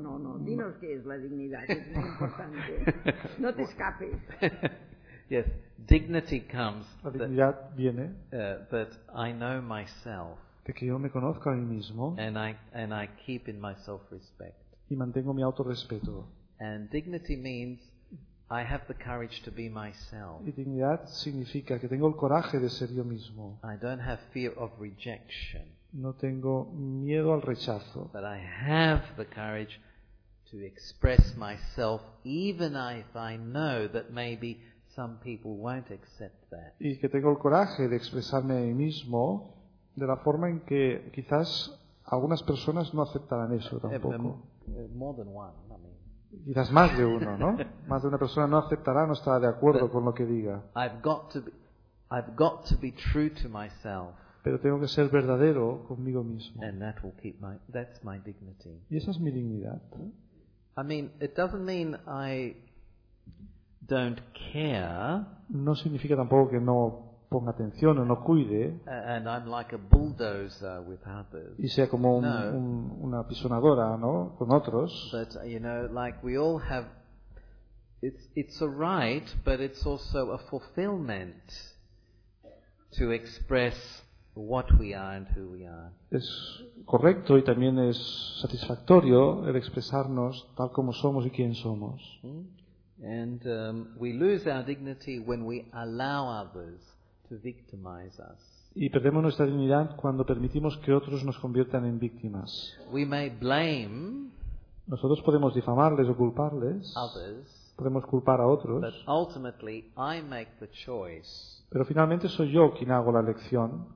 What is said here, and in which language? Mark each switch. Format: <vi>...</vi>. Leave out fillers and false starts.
<es>No, no, dinos qué es la dignidad, que es muy importante. No te escapes.</es> <en>Yes, dignity comes.</en> <es>La dignidad viene.</es> <en>That I know myself.</en> <es>de que yo me conozca a mí mismo,</es> <en>and I keep in my self-respect.</en> <es>Y mantengo mi autorrespeto.</es> <en>And dignity means I have the courage to be myself.</en> <es>Y dignidad significa que tengo el coraje de ser yo mismo.</es> <en>I don't have fear of rejection.</en> <es>No tengo miedo al rechazo.</es> <en>But I have the courage to express myself, even if I know that maybe some people won't accept that.</en> <es>Y que tengo el coraje de expresarme a mí mismo de la forma en que quizás algunas personas no aceptarán eso tampoco.</es> <en>More than one, I mean.</en> <es>Quizás más de uno, ¿no? Más de una persona no aceptará, no estará de acuerdo con lo que diga.</es> <en>I've got to be true to myself.</en> <es>Pero tengo que ser verdadero conmigo mismo.</es> <en>And that will keep my, that's my dignity.</en> <es>Y esa es mi dignidad.</es> <en>I mean, it doesn't mean I don't care.</en> <es>No significa tampoco que no ponga atención o no cuide.</es> <en>And I'm like a bulldozer with others.</en> <es>Y sea como una apisonadora, ¿no? Con otros.</es> <en>But you know, like we all have, it's a right, but it's also a fulfillment to express what we are and who we are.</en> <es>Es correcto y también es satisfactorio el expresarnos tal como somos y quién somos.</es> <en>And we lose our dignity when we allow others to victimize us.</en> <es>Y perdemos nuestra dignidad cuando permitimos que otros nos conviertan en víctimas.</es> <en>We may blame.</en> <es>Nosotros podemos difamarles o culparles.</es> <en>Others.</en> <es>Podemos culpar a otros.</es> <en>But ultimately, I make the choice.</en> <es>Pero finalmente soy yo quien hago la elección.</es>